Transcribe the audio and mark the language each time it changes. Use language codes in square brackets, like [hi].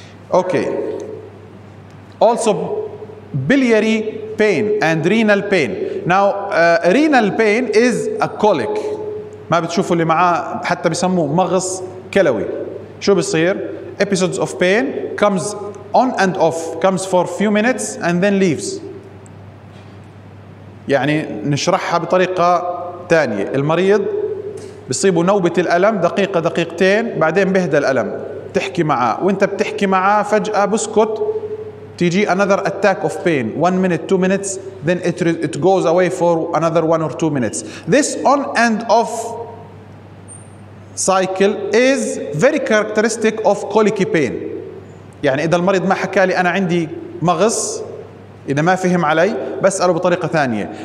[en] Okay. Also, biliary pain and renal pain. Now, renal pain is a colic. [ar] ما بتشوفوا اللي معاه حتى بيسموه مغص كلوي. شو بصير؟ [en] Episodes of pain comes on and off, comes for a few minutes and then leaves. [ar] يعني نشرحها بطريقة تانية. المريض بيصيبه نوبة الألم دقيقة دقيقتين بعدين بيهدى الألم. تحكي معاه وانت بتحكي معاه فجأة بسكت تيجي [en] another attack of pain. 1 minute, 2 minutes, then it goes away for another 1 or 2 minutes. This on and off cycle is very characteristic of colicky pain. [ar] يعني إذا المريض ما حكى لي أنا عندي مغص, إذا ما فهم علي بسأله بطريقة ثانية.